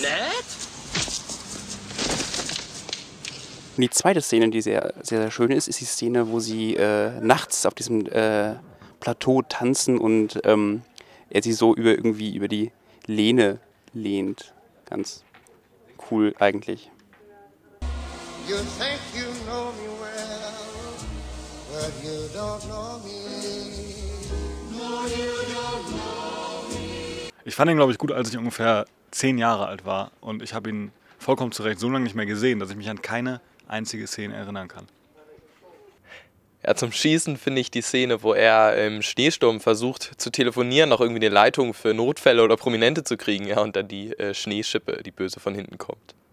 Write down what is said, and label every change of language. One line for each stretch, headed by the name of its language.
German: Ned? Und die zweite Szene, die sehr, sehr, sehr schön ist, ist die Szene, wo sie nachts auf diesem Plateau tanzen und er sie so über die Lehne lehnt. Ganz cool eigentlich.
English: You think you know me well, but you don't know me. No, you don't know me.
German: Ich fand ihn, glaube ich, gut, als ich ungefähr 10 Jahre alt war und ich habe ihn vollkommen zu Recht so lange nicht mehr gesehen, dass ich mich an keine einzige Szene erinnern kann. Ja, zum Schießen finde ich die Szene, wo er im Schneesturm versucht zu telefonieren, noch irgendwie eine Leitung für Notfälle oder Prominente zu kriegen, ja, und dann die Schneeschippe, die böse von hinten kommt.